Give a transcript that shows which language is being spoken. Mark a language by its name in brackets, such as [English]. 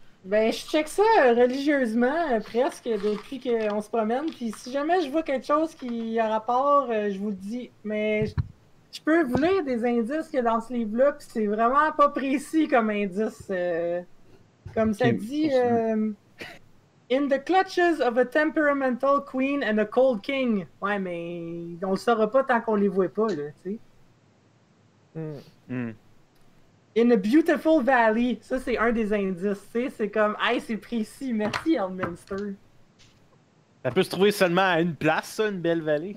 [French] Ben, je check ça religieusement, presque, depuis qu'on se promène. Puis si jamais je vois quelque chose qui a rapport, je vous le dis. Mais je peux vous lire des indices qu'il y a dans ce livre-là, puis c'est vraiment pas précis comme indice. Comme ça dit... [English] In the clutches of a temperamental queen and a cold king. [French] Ouais, mais on le saura pas tant qu'on les voit pas, là, tu sais. [English] In a beautiful valley. [French] Ça, c'est un des indices, tu sais. C'est comme, hey, c'est précis. Merci, Elminster. Ça peut se trouver seulement à une place, ça, une belle vallée.